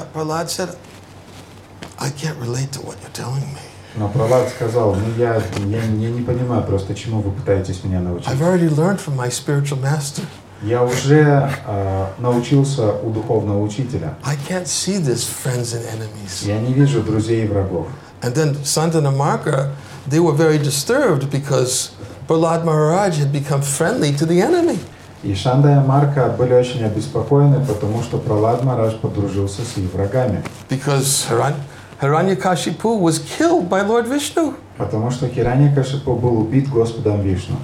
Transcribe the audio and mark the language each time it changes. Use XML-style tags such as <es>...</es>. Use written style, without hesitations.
<en>Prahlad said, I can't relate to what you're telling me.</en> <ru>Но Прохлад сказал, ну я не понимаю просто, чему вы пытаетесь меня научить.</ru> <en>I've already learned from my spiritual master.</en> <ru>Я уже научился у духовного учителя.</ru> <en>I can't see this friends and enemies.</en> <ru>Я не вижу друзей и врагов.</ru> <en>And then Sanda and Amarka, they were very disturbed because Prahlad Maharaj had become friendly to the enemy.</en> <ru>И Шанда и Амарка были очень обеспокоены, потому что Прохлад Махарадж подружился с их врагами.</ru> <en>Because Hiranyakashipu was killed by Lord Vishnu.</en> <ru>Потому что Хираньякашипу был убит Господом Вишну.</ru>